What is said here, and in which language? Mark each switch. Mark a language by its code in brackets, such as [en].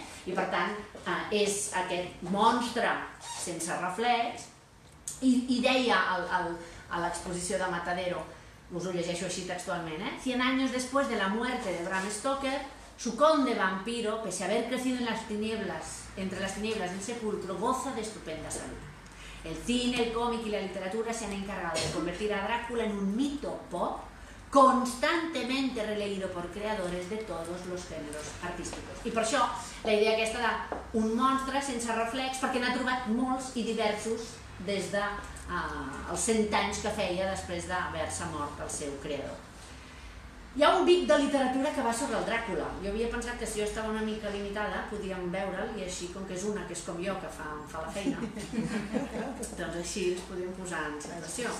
[ca] I per tant, és aquest monstre sense reflex, i deia a l'exposició de Matadero, us ho llegeixo així textualment, 100 anys després [es] de la muerte de Bram Stoker, su conde vampiro, pese a haber crecido en las tinieblas, entre las tinieblas del sepulcro, goza de estupenda salud. El cine, el cómic y la literatura se han encargado de convertir a Drácula en un mito pop constantemente releído por creadores de todos los géneros artísticos. [ca] I per això la idea aquesta d'un monstre sense reflex, perquè n'ha trobat molts i diversos des dels 100 anys que feia després d'haver-se mort el seu creador. Hi ha un bit de literatura que va sobre el Dràcula. Jo havia pensat que si jo estava una mica limitada podíem veure'l, i així, com que és una que és com jo, que fa la feina, doncs així ens podíem posar en situació.